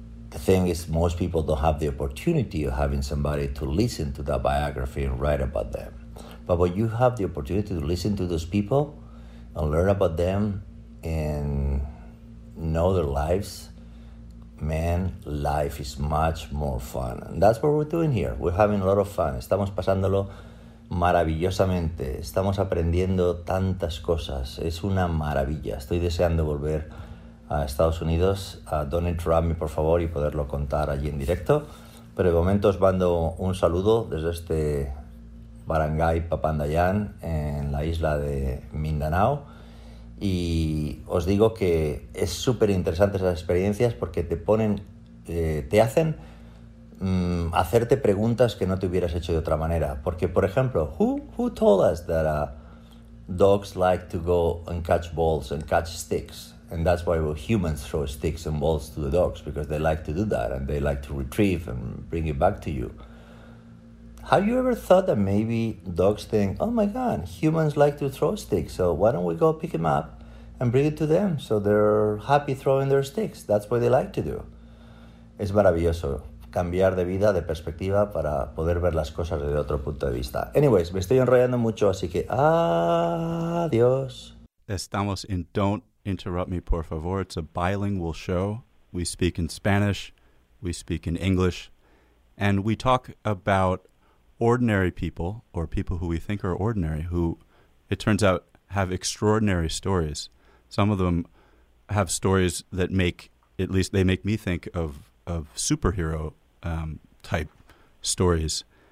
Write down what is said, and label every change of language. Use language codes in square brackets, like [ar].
[en] The thing is, most people don't have the opportunity of having somebody to listen to that biography and write about them. But when you have the opportunity to listen to those people and learn about them and know their lives, man, life is much more fun. And that's what we're doing here. We're having a lot of fun. [es] Estamos pasándolo maravillosamente, estamos aprendiendo tantas cosas, es una maravilla. Estoy deseando volver a Estados Unidos, a Don't Interrupt Me, por favor, y poderlo contar allí en directo. Pero de momento os mando un saludo desde este barangay Papandayan en la isla de Mindanao. Y os digo que es súper interesante esas experiencias porque te hacen hacerte preguntas que no te hubieras hecho de otra manera. Porque, por ejemplo, [en] who told us that dogs like to go and catch balls and catch sticks? And that's why humans throw sticks and balls to the dogs, because they like to do that and they like to retrieve and bring it back to you. Have you ever thought that maybe dogs think, oh my God, humans like to throw sticks, so why don't we go pick them up and bring it to them so they're happy throwing their sticks? That's what they like to do. [es] Es maravilloso cambiar de vida, de perspectiva, para poder ver las cosas desde otro punto de vista. [en] Anyways, [es] me estoy enrollando mucho, así que adiós. Estamos en [en] Don't Interrupt Me, Por Favor. It's a bilingual show. We speak in Spanish, we speak in English, and we talk about ordinary people, or people who we think are ordinary, who, it turns out, have extraordinary stories. Some of them have stories that make, at least they make me think of superhero type stories.